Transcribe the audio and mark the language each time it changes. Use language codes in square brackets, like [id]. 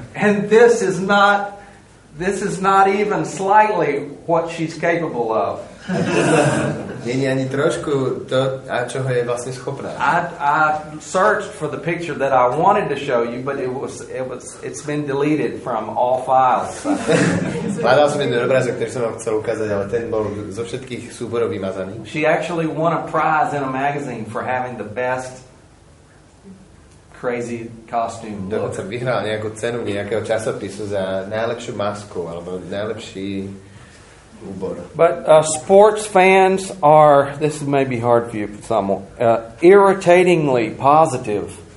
[en] And this is not even slightly what she's capable of. [sk] Není ani trošku to, a čoho je vlastne schopná. [en] I searched for the picture that I wanted to show you, but it's been deleted from all files. [sk] Hľadal som jeden obrázok, ktorý som vám chcel ukázať, ale ten bol zo všetkých súborov vymazaný. [en] She actually won a prize in a magazine for having the best crazy costume look. [sk] Dokonca vyhral nejakú cenu nejakého časopisu za najlepšiu masku, alebo najlepší... [en] But sports fans are, this may be hard for you, Samuel, irritatingly positive.